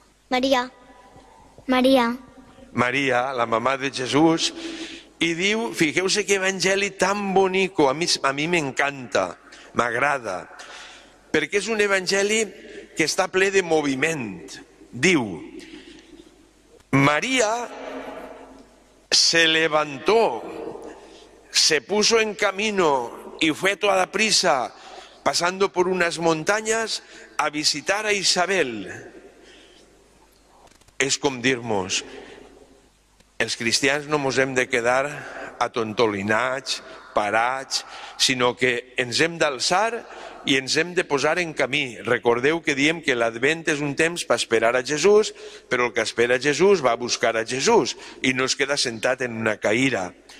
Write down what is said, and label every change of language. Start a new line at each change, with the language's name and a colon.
Catalan: Maria. Maria. Maria, la mamà de Jesús. I diu, fiqueu-se que evangeli tan bonico, a mi m'encanta, m'agrada. Perquè és un evangeli que està ple de moviment.
Spanish: Diu, Maria se levantó, se puso en camino y fue toda prisa, pasando por unas montañas, a visitar a Isabel.
Catalan: És com dir-nos, els cristians no ens hem de quedar atontolinats, parats, sinó que ens hem d'alçar i ens hem de posar en camí. Recordeu que diem que l'Advent és un temps per esperar a Jesús, però el que espera Jesús va a buscar a Jesús i no es queda sentat en una cadira.